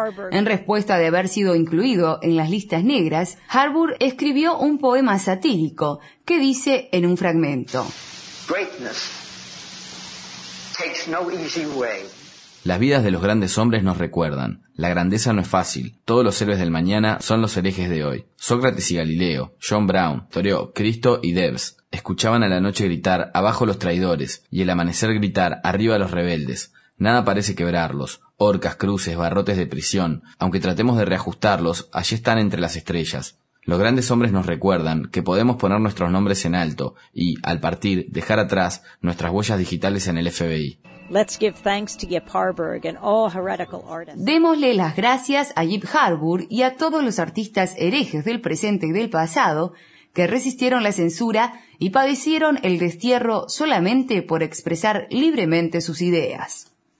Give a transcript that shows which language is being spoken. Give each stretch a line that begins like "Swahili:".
Spanish: En respuesta de haber sido incluido en las listas negras, Harbour escribió un poema satírico que dice en un fragmento:
English: "Greatness takes no easy way.
Spanish: Las vidas de los grandes hombres nos recuerdan. La grandeza no es fácil. Todos los héroes del mañana son los herejes de hoy. Sócrates y Galileo, John Brown, Thoreau, Cristo y Debs. Escuchaban a la noche gritar, abajo los traidores, y el amanecer gritar, arriba los rebeldes. Nada parece quebrarlos. Orcas, cruces, barrotes de prisión. Aunque tratemos de reajustarlos, allí están entre las estrellas. Los grandes hombres nos recuerdan que podemos poner nuestros nombres en alto y, al partir, dejar atrás nuestras huellas digitales en el FBI.
English: Let's give thanks to Yip Harburg and all heretical artists.
Spanish: Démosle las gracias a Yip Harburg y a todos los artistas herejes del presente y del pasado que resistieron la censura y padecieron el destierro solamente por expresar libremente sus ideas.